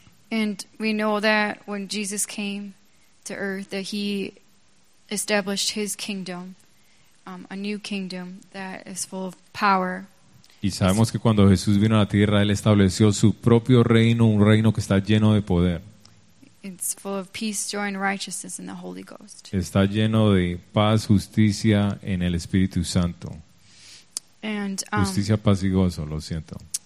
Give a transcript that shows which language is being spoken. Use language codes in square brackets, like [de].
[en] And we know that when Jesus came to earth that he established his kingdom, a new kingdom that is full of power. [es] Y sabemos que cuando Jesús vino a la tierra, él estableció su propio reino, un reino que está lleno de poder. [en] It's full of peace, joy, and righteousness in the Holy Ghost. [es] Está lleno de paz, justicia en el Espíritu Santo. [en] And [es] justicia, paz y gozo, lo siento.